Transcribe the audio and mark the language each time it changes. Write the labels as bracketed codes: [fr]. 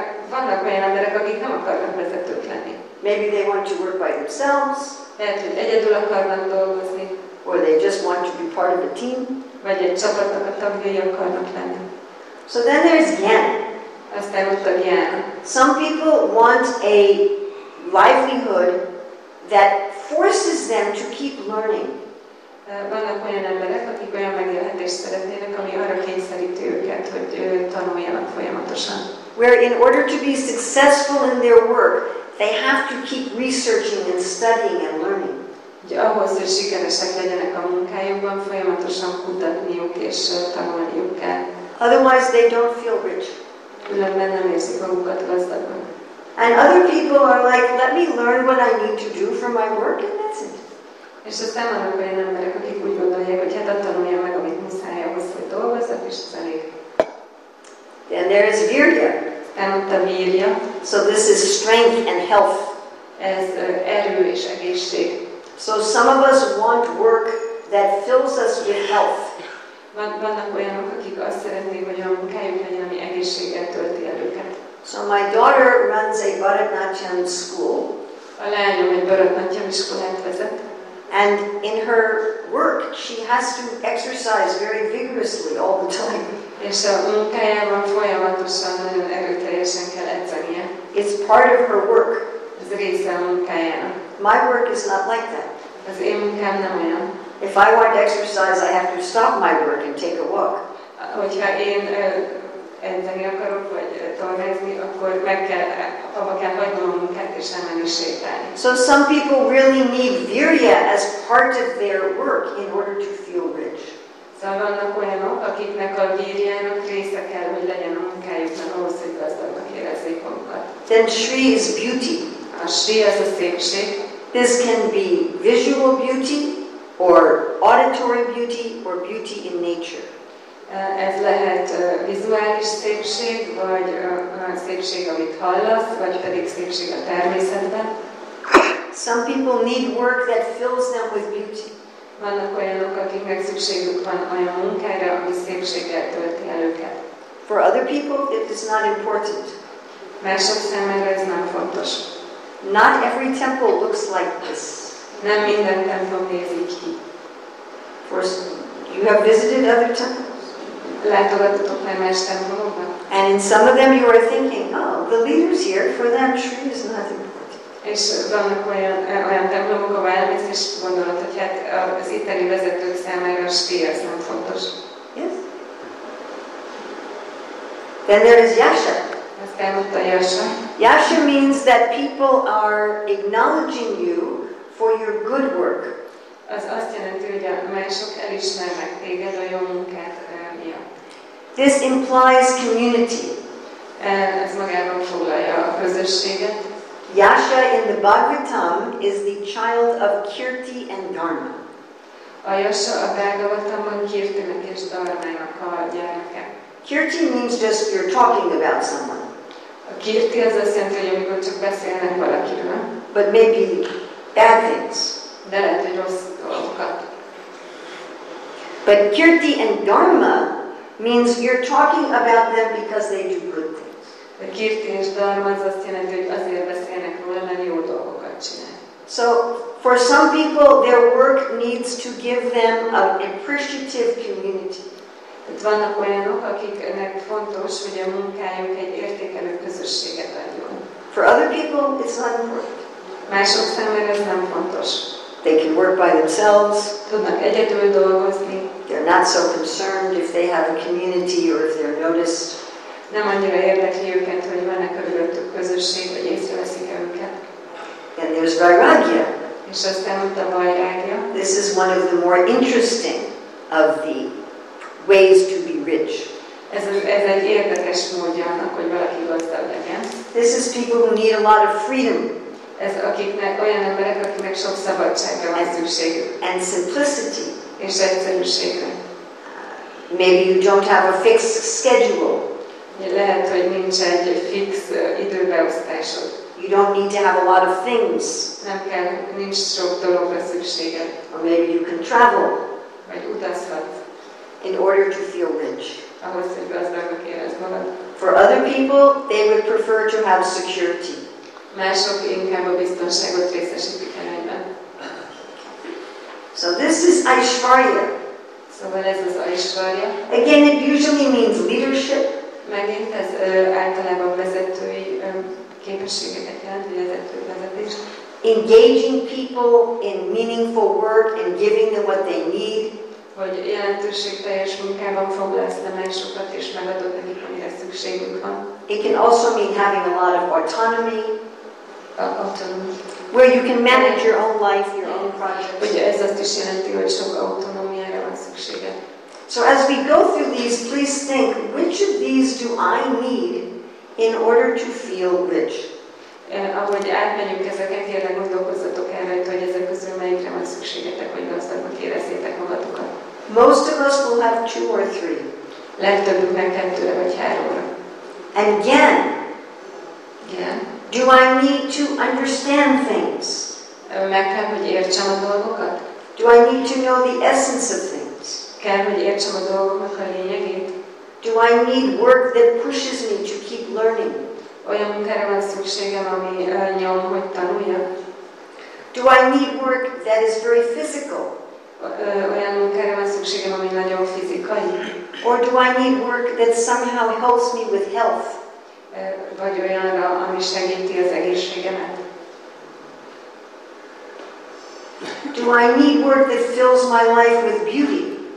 [hu] Vannak olyan emberek, akik nem akarnak vezetők lenni. [en] Maybe they want to work by themselves. [hu] Lehet, hogy egyedül akarnak dolgozni. [en] Or they just want to be part of a team. [hu] Vagy egy csapatnak a tagjai akarnak lenni. [en] So then there's Gyan. [hu] Aztán ott a Gyan. [en] Some people want a livelihood that forces them to keep learning. [hu] Vannak olyan emberek, akik olyan megélhetést szeretnének, ami arra kényszeríti őket, hogy tanuljanak folyamatosan. [en] Where in order to be successful in their work, they have to keep researching and studying and learning. [hu] Ahhoz, hogy sikeresek legyenek a munkájukban, folyamatosan kutatniuk és tanulniuk kell. [en] Otherwise they don't feel rich. [hu] Különben nem érzik magukat gazdagnak. [en] And other people are like, let me learn what I need to do for my work, and that's it. [hu] És aztán vannak olyan emberek, akik úgy gondolják, hogy hát tanulja meg, amit muszáj ahhoz, hogy dolgozzak, és ez elég. [en] And there is virya. [hu] Elmondta virya. [en] So this is strength and health. [hu] Ez erő és egészség. [en] So some of us want work that fills us with health. [hu] Vannak olyanok, akik azt szeretnék, hogy a munkájuk legyen, ami egészséggel tölti el őket. [en] So my daughter runs a Bharatnatyam school. [hu] A lányom egy Bharatnatyam iskolát vezet. [en] And in her work, she has to exercise very vigorously all the time. [hu] És a munkájában folyamatosan nagyon erőteljesen kell edzenie. [en] It's part of her work. [hu] Ez része a munkájának. [en] My work is not like that. [hu] Az én munkám nem olyan. [en] If I want to exercise, I have to stop my work and take a walk. [hu] Hogyha én edzeni akarok, vagy tornázni, akkor meg kell, abba kell hagynom a munkát és elmenni sétálni. [en] So some people really need virya as part of their work in order to feel rich. [hu] Szóval vannak olyanok, akiknek a virjának része kell, hogy legyen a munkájukban ahhoz, hogy gazdagnak érezzék magukat. [en] Then Sri is beauty. [hu] A Sri az a szépség. [en] This can be visual beauty, or auditory beauty, or beauty in nature. [hu] Ez lehet vizuális szépség, vagy szépség, amit hallasz, vagy pedig szépség a természetben. [en] Some people need work that fills them with beauty. [hu] Vannak olyanok, akiknek szükségük van olyan munkára, ami szépséggel tölti el őket. [en] For other people, it is not important. [hu] Mások számára ez nem fontos. [en] Not every temple looks like this. [hu] Nem minden templom néz így ki. [en] You have visited other temples? [hu] Látogatottok már más templomokban? [en] And in some of them you are thinking, oh, the leaders here, for them, Sri is not important. [hu] És vannak olyan templomok, ahol elmész, és gondolod, hogy hát az itteni vezetők számára Sri az nem fontos. [en] Yes. Then there is Yasha. [hu] Aztán ott a Yasha. [en] Yasha means that people are acknowledging you for your good work. [hu] Az azt jelenti, hogy mások elismernek téged a jó munkát. [en] This implies community. [hu] Ez magában foglalja a közösséget. [en] Yasha in the Bhagavatam is the child of Kirti and Dharma. [hu] A Yasha a Bhagavatamban Kirtinek és Dharmának a gyermeke. [en] Kirti means just you're talking about someone. [hu] A Kirti az azt jelenti, hogy amikor csak beszélnek valakiről. [en] But maybe bad things. [hu] De lehet, hogy rossz dolgokat. [en] But Kirti and Dharma means you're talking about them because they do good things. [hu] A kirti és dharma az azt jelenti, hogy azért beszélnek róla, mert jó dolgokat csinál. [en] So for some people their work needs to give them an appreciative community. [hu] Itt vannak olyanok, akiknek fontos, hogy a munkájuk egy értékelő közösséget adjon. [en] For other people it's not important. [hu] Mások számára ez nem fontos. [en] They can work by themselves. [hu] Tudnak egyedül dolgozni. [en] They're not so concerned if they have a community or if they're noticed. [hu] Nem annyira érdekli őket, hogy van-e körülöttük közösség, vagy észreveszik-e őket. [en] Then there's Vairagya. [hu] És aztán ott a Vairagya. [en] This is one of the more interesting of the ways to be rich. [hu] Ez egy érdekes módja annak, hogy valaki gazdag legyen. [en] This is people who need a lot of freedom. [hu] Ez akiknek, olyan emberek, akiknek sok szabadságra van szükségük. [en] And simplicity. [hu] És egyszerűségre. [en] Maybe you don't have a fixed schedule. [hu] Lehet, hogy nincs egy fix időbeosztásod. [en] You don't need to have a lot of things. [hu] Nem kell, nincs sok dologra szükséged. [en] Or maybe you can travel. [hu] Vagy utazhatsz. [en] In order to feel rich. [hu] Ahhoz, hogy gazdagnak érezd magad. [en] For other people, they would prefer to have security. [hu] Mások inkább a biztonságot részesítik. [en] So this is Aishwarya. So what is this Aishwarya? Again, it usually means leadership. [hu] Megint ez általában vezetői képességeket jelent, vezető vezetés. [en] Engaging people in meaningful work and giving them what they need. [hu] Hogy jelentőségteljes munkában foglalsz le másokat és megadod nekik, amire szükségük van. [en] It can also mean having a lot of autonomy. Autonomy. Where you can manage your own life, your own projects. [hu] Ugye ez azt is jelenti, hogy sok autonómiára van szükséged. [en] So as we go through these, please think, which of these do I need in order to feel rich? [hu] Ahogy átmegyünk ezeket, tényleg gondolkozzatok el rajta, hogy ezek közül melyikre van szükségetek, hogy gazdagot érezzétek magatokat. [en] Most of us will have two or three. [hu] Legtöbbünknek kettőre vagy háromra. [en] And again. Again. Do I need to understand things? [hu] Meg kell, hogy értsem a dolgokat. [en] Do I need to know the essence of things? [hu] Kell, hogy értsem a dolgoknak a lényegét. [en] Do I need work that pushes me to keep learning? [hu] Olyan munkára van szükségem, ami nyom, hogy tanuljak. [en] Do I need work that is very physical? [hu] Olyan munkára van szükségem, ami nagyon fizikai. [en] Or do I need work that somehow helps me with health? [hu] Vagy olyanra, ami segíti az egészségemet. [en] Do I need work that fills my life with beauty?